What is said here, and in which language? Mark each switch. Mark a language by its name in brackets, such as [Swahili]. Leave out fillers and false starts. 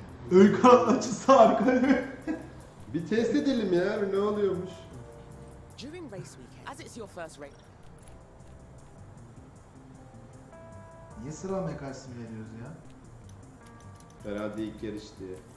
[Turkish] Ön kanat açısı harika değil mi? Bir test edelim ya, ne oluyormuş? [English] During race weekend, as it's your first race. [Turkish] Niye sıralamaya karşısı mı veriyoruz ya? Herhalde ilk yarış diye.